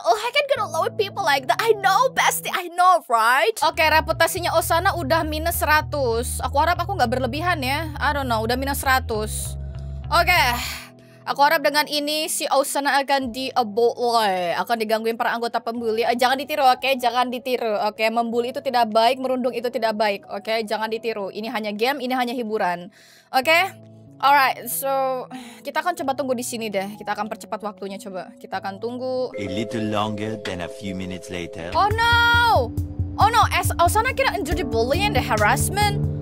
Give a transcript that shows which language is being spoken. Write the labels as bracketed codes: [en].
[en] Oh, I can't get along with people like that. I know, bestie. I know, right? [id] Oke, reputasinya Osana udah minus 100. Aku harap aku enggak berlebihan ya. [en] I don't know, [id] udah minus 100. Oke. Aku harap dengan ini si Osana akan di-bully. Akan digangguin para anggota pembuli. Jangan ditiru, oke? Jangan ditiru, oke? Membuli itu tidak baik, merundung itu tidak baik, oke? Jangan ditiru. Ini hanya game, ini hanya hiburan, oke? Alright, so kita akan coba tunggu di sini deh. Kita akan percepat waktunya, coba. Kita akan tunggu. [en] A little longer than a few minutes later. Oh no! As Osana kira endure the bullying and the harassment?